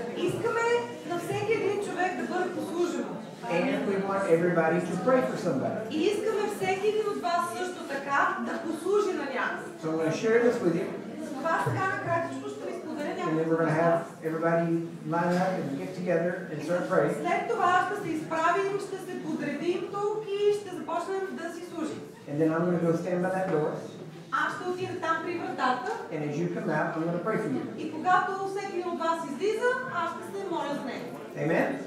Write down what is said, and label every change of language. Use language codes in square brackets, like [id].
[bg] Искаме на всеки един човек да бъде послужено. [en] And we want everybody to pray for somebody. [bg] И искаме всеки един от вас също така да послужи на някой. [en] So I'm going to share this with you. [bg] Затова сега на кратичко ще ви споделя [en] and then we're going to have everybody line up and get together and start praying. And then I'm going to go stand by that door. And as you come out, I'm going to pray for you. Amen?